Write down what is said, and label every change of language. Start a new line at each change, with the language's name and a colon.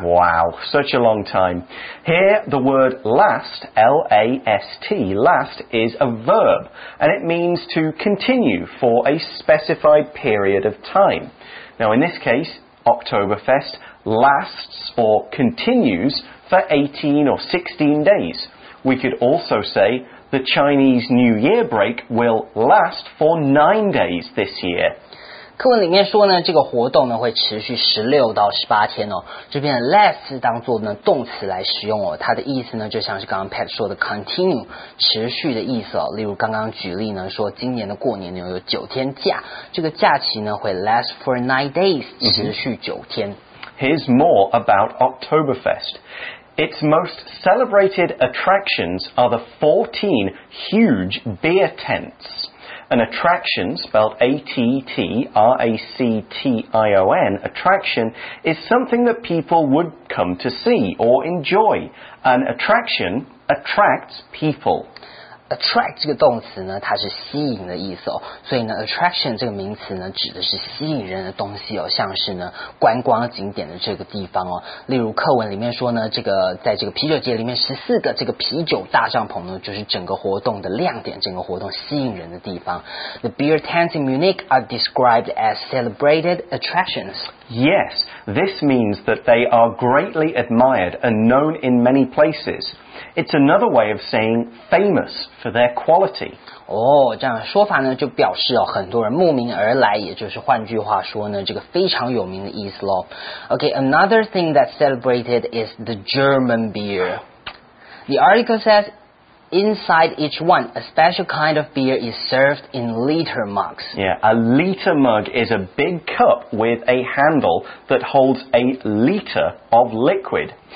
English: Wow, such a long time. Here, the word last, L-A-S-T, last is a verb, and it means to continue for a specified period of time. Now, in this case, Oktoberfest lasts or continues for 18 or 16 days. We could also say the Chinese New Year break will last for 9 days this year.
Chinese: 课文里面说呢，这个活动呢会持续16到18天哦。这边的 last 当作呢动词来使用哦，它的意思呢就像是刚刚 Pat 说的 continue 持续的意思哦。例如刚刚举例呢说，今年的过年呢有9天假，这个假期呢会
English: last for 9 days
Chinese: 持续9天。
English: Here's more about Oktoberfest. Its most celebrated attractions are the 14 huge beer tents. An attraction, spelled A-T-T-R-A-C-T-I-O-N, attraction, is something that people would come to see or enjoy. An attraction attracts people.
Chinese: Attract 这个动词呢，它是吸引的意思哦。所以呢 ，attraction 这个名词呢，指的是吸引人的东西哦，像是呢观光景点的这个地方哦。例如课文里面说呢，这个在这个啤酒节里面，14个这个啤酒大帐篷呢，就是整个活动的亮点，整个活动吸引人的地方。
English: The beer tents in Munich are described as celebrated attractions. Yes, this means that they are greatly admired and known in many places. It's another way of saying famous for their quality.
Chinese: 哦，这样的说法呢，就表示哦，很多人慕名而来，也就是换句话说呢，这个非常有名的意思咯。
English: Okay, another thing that's celebrated is the German beer. The article says inside each one, a special kind of beer is served in liter mugs. Yeah, a liter mug is a big cup with a handle that holds a liter of liquid.